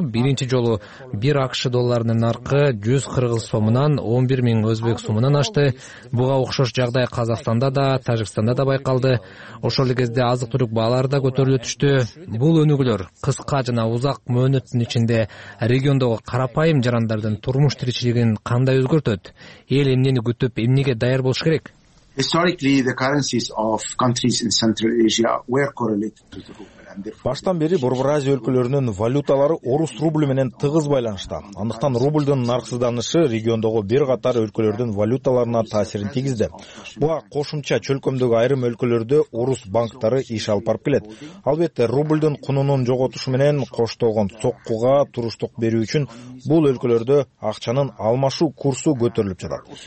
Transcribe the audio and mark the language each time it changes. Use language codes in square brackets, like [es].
[ky] Биринчи жолу 1 АКШ долларынын наркы 100 кыргыз сомунан 11,000 өзбек сомунан ашты. Буга окшош жагдай Казакстанда да, Тажикстанда да байкалды. Ошол эле кезде азык түлүк баалары да көтөрүлө түштү. Бул өнүгүүлөр кыска жана узак мөөнөттүн ичинде региондогу карапайым жарандардын турмуш тиричилигин кандай өзгөртөт? Эл эмнени күтүп, эмнеге даяр болуш керек? [en] Historically, the currencies of countries in Central Asia were correlated to the ruble. [ky] Баштан бери Борборазия өлкөлөрүнүн валюталары орус рублу менен тыгыз байланышта. Андыктан рубльдун нарксызданышы региондогу бир катар өлкөлөрдүн валюталарына таасирин тийгизди. Буга кошумча чөлкөмдөгү айрым өлкөлөрдө орус банктары иш алып барып келет. Албетте, рубльдун кунунун жоготушу менен коштолгон соккуга туруштук берүү үчүн бул өлкөлөрдө акчанын алмашуу курсу көтөрүлүп жатат.